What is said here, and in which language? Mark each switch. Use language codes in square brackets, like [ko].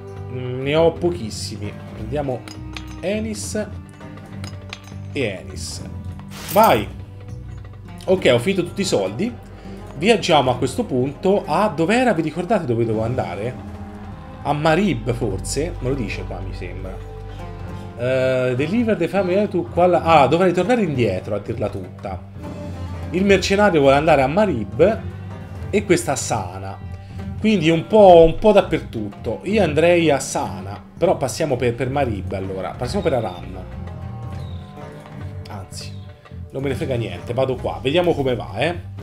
[it] Ne ho pochissimi. Prendiamo Enis. E Enis. Vai! Ok, ho finito tutti i soldi. Viaggiamo a questo punto a... Dov'era? Vi ricordate dove dovevo andare? A Marib, forse? Me lo dice qua, mi sembra. [en] Deliver the family to qual... [it] Ah, dovrei tornare indietro a dirla tutta. Il mercenario vuole andare a Marib. E questa a Sana. Quindi un po' dappertutto. Io andrei a Sana. Però passiamo per Marib, allora. Passiamo per Aran. Anzi, non me ne frega niente. Vado qua. Vediamo come va, eh.